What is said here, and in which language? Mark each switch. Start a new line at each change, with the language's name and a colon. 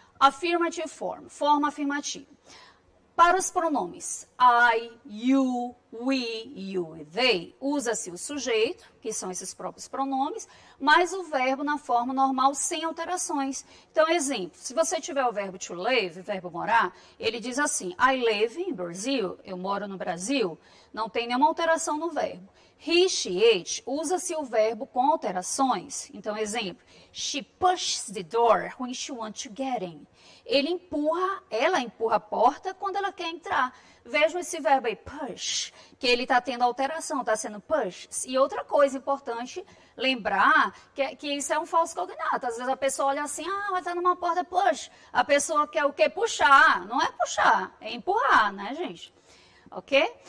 Portuguese: Affirmative form, forma afirmativa. Para os pronomes I, you, we, you e they, usa-se o sujeito, que são esses próprios pronomes, mais o verbo na forma normal, sem alterações. Então, exemplo, se você tiver o verbo to live, verbo morar, ele diz assim,
English: I live in Brazil,
Portuguese: eu moro no Brasil, não tem nenhuma alteração no verbo. He, she, it, usa-se o verbo com alterações.
English: Então, exemplo, she pushes the door when she wants to get in.
Portuguese: Ele empurra, ela empurra a porta quando ela quer entrar. Vejam esse verbo aí, push, que ele está tendo alteração, está sendo push. E outra coisa importante, lembrar que isso é um falso cognato. Às vezes a pessoa olha assim, ah, mas está numa porta, push. A pessoa quer o quê? Puxar. Não é puxar, é empurrar, né, gente? Ok?